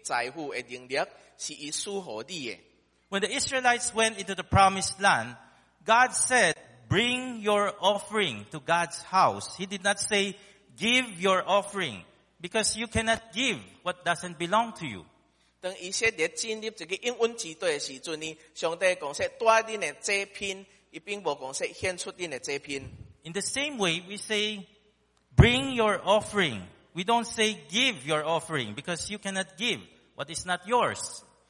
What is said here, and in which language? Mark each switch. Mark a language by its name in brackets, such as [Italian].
[Min Nan Chinese] 生命记者记载来讲，恐惊你心内讲，这个财富是我的力量，是我手的力量，互我得到的。你着纪念耶和华你的上帝，因为得财富的能力是伊赐予你的。 [English] When the Israelites went into the promised land, God said, bring your offering to God's house. He did not say, give your offering, because you cannot give what doesn't belong to you. [Min Nan Chinese] 当以色列进入这个应允之地的时阵呢，上帝讲说，带你的祭品，伊并无讲说献出你的祭品。 [English] In the same way, we say, bring your offering. We don't say, give your offering, because you cannot give what is not yours.